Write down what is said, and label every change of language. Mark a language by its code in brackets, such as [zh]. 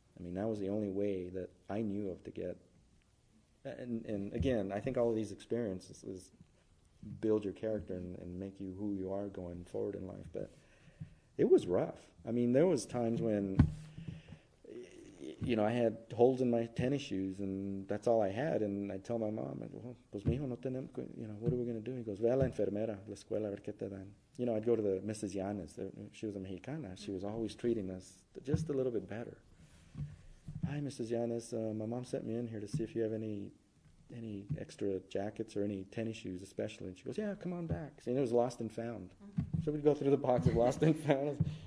[en] I mean, that was the only way that I knew of to get. And again, I think all of these experiences is build your character and make you who you are going forward in life. But it was rough. I mean, there was times when, you know, I had holes in my tennis shoes, and that's all I had. And I tell my mom, well, [es] pues mijo, no tenemos, [en] you know, what are we going to do? He goes, [es] ve a la enfermera, la escuela, a ver qué te dan. [en] You know, I'd go to the Mrs. Yanes. She was a Mexicana. She was always treating us just a little bit better. Hi, Mrs. Yanes. My mom sent me in here to see if you have any extra jackets or any tennis shoes, especially. And she goes, yeah, come on back. See, and it was lost and found. So we'd go through the box of lost and found.